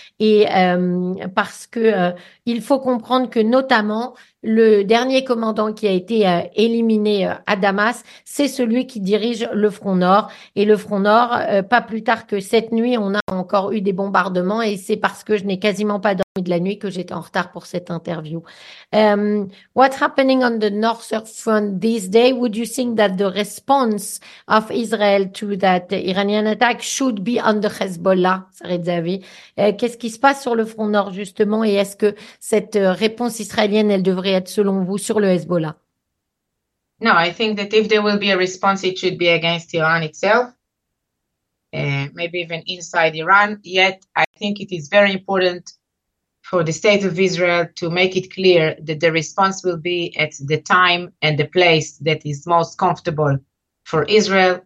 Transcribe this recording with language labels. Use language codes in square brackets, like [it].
[fr] Et parce que il faut comprendre que notamment le dernier commandant qui a été éliminé à Damas, c'est celui qui dirige le front nord. Et le front nord, pas plus tard que cette nuit, on a encore eu des bombardements, et c'est parce que je n'ai quasiment pas dormi de la nuit que j'étais en retard pour cette interview. [en] What's happening on the northern front these days? Would you think that the response of Israel to that Iranian attack should be on the Hezbollah, Sarit Zavi? [fr] Qu'est-ce qui se passe sur le front nord, justement, et est-ce que cette réponse israélienne, elle devrait être, selon vous, sur le Hezbollah? [en] No, I think that if there will be a response, it should be against Iran itself. Maybe even inside Iran. Yet, I think it is very important for the state of Israel to make it clear that the response will be at the time and the place that is most comfortable for Israel.